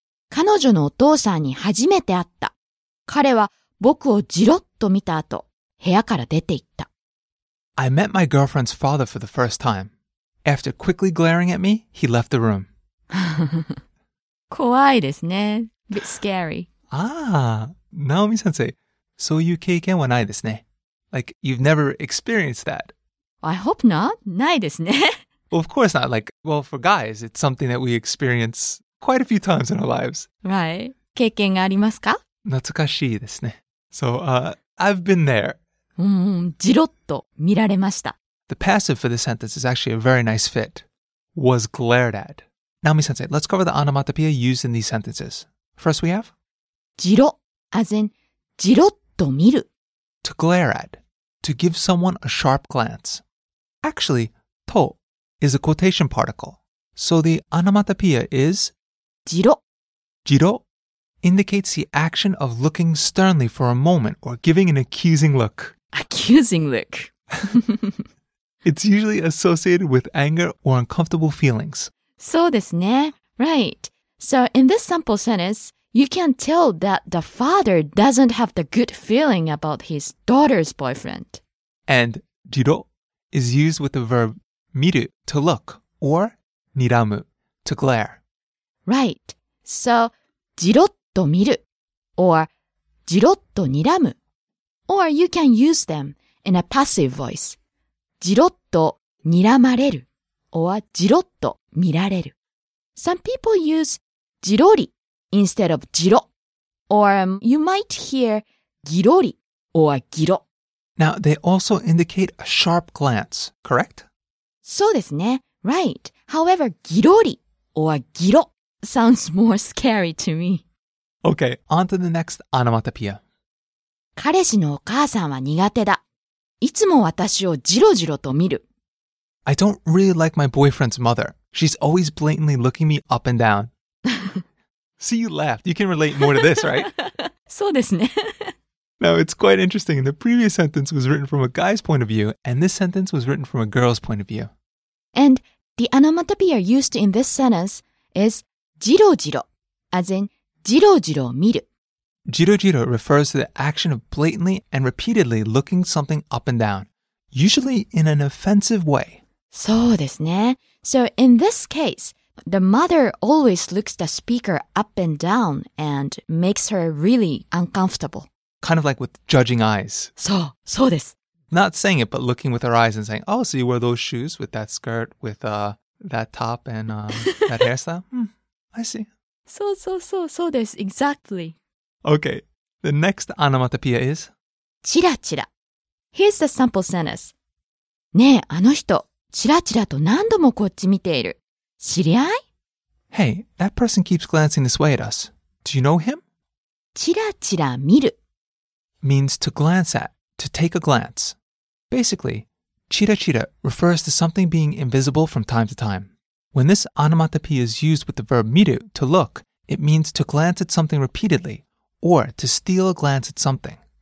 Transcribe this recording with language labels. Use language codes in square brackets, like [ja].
[ja] 彼女のお父さんに初めて会った。彼は僕をジロッと見た後、部屋から出て行った。 [en] I met my girlfriend's father for the first time. After quickly glaring at me, he left the room. [ja] 怖いですね。 [en] Bit scary. [ja] Ah, Naomi-sensei, そういう経験はないですね。 [en] Like, you've never experienced that. I hope not. [ja] ないですね。 [en] Well, of course not. Like, well, for guys, it's something that we experience quite a few times in our lives. [ja] Right. 経験がありますか? 懐かしいですね。 [en] So, I've been there. [ja] じろっと見られました。 [en] The passive for this sentence is actually a very nice fit. Was glared at. Naomi-sensei, let's cover the onomatopoeia used in these sentences. First we have? [ja] じろ as in, じろっと見る。 [en] To glare at. To give someone a sharp glance. Actually, と is a quotation particle. So the onomatopoeia is? [ja] じろ。 [en] じろ indicates the action of looking sternly for a moment or giving an accusing look. Accusing look. It's usually associated with anger or uncomfortable feelings. [ja] そうですね。 [en] Right. So in this simple sentence, you can tell that the father doesn't have the good feeling about his daughter's boyfriend. And じろ is used with the verb 見る to look or にらむ to glare. [ja] Right. So じろっと見る or じろっとにらむ。 [en] Or you can use them in a passive voice. [ja] じろっとにらまれる or じろっと見られる。 [en] Some people use じろり instead of じろ or you might hear ぎろり or ぎろ。 Now they also indicate a sharp glance, correct? [ja] そうですね。 [en] Right. However, ぎろり or ぎろ sounds more scary to me. Okay, on to the next onomatopoeia. [ja] 彼氏のお母さんは苦手だ。いつも私をジロジロと見る。 [en] I don't really like my boyfriend's mother. She's always blatantly looking me up and down. See, you laughed. You can relate more to this, right? [ja] そうですね。 [en] Now, it's quite interesting. The previous sentence was written from a guy's point of view, and this sentence was written from a girl's point of view. And the onomatopoeia used in this sentence is ジロジロ, as in ジロジロ見る。ジロジロ refers to the action of blatantly and repeatedly looking something up and down, usually in an offensive way. [ja] そうですね。 [en] So in this case, the mother always looks the speaker up and down and makes her really uncomfortable. Kind of like with judging eyes. [ja] そう、そうです。 [en] Not saying it, but looking with her eyes and saying, oh, so you wear those shoes with that skirt, with that top and that hairstyle? I see. [ja] そうそうそう、そうです。 [en] Exactly. Okay, the next onomatopoeia is? チラチラ。Here's the sample sentence. [ja] ねえ、あの人、チラチラと何度もこっち見ている。知り合い? [en] Hey, that person keeps glancing this way at us. Do you know him? [ja] チラチラ見る。 [en] means to glance at, to take a glance. Basically, chira-chira refers to something being invisible from time to time. When this onomatopoeia is used with the verb miru, to look, it means to glance at something repeatedly or to steal a glance at something.